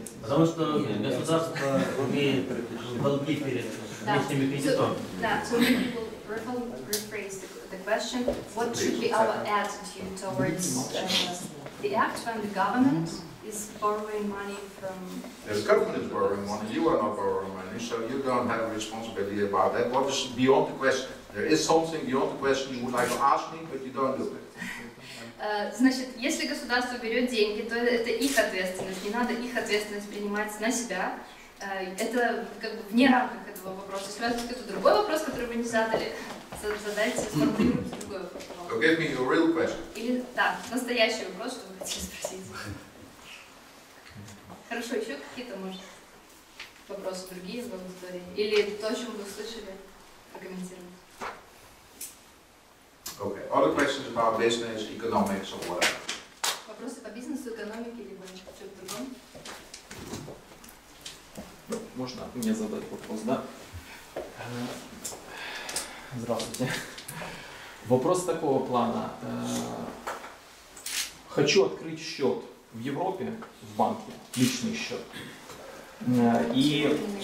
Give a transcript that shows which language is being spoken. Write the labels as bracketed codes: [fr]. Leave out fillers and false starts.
[ru] Потому что государство умеет долги перед внешними кредитами. [en] Rephrase the question, what should be our attitude towards the act when the government is borrowing money from... If the government is borrowing money, you are not borrowing money, so you don't have a responsibility about that. What is beyond the question? There is something beyond the question you would like to ask me, but you don't do it. [ru] Значит, если государство берет деньги, то это их ответственность. Не надо их ответственность принимать на себя. Это как бы вне рамок этого вопроса. Если у вас какой-то другой вопрос, который вы не задали, задайте, сформулируйте другой вопрос. [en] Give me your real question. [ru] Или, да, настоящий вопрос, что вы хотели спросить. Хорошо, еще какие-то, может, вопросы другие в аудитории? Или то, о чем вы услышали, прокомментировать? [en] Okay, other questions about business, economics, or whatever. [ru] Вопросы по бизнесу, экономике, либо что-то другое? Можно мне задать вопрос, да? Здравствуйте. Вопрос такого плана. Хочу открыть счет в Европе, в банке, личный счет. И...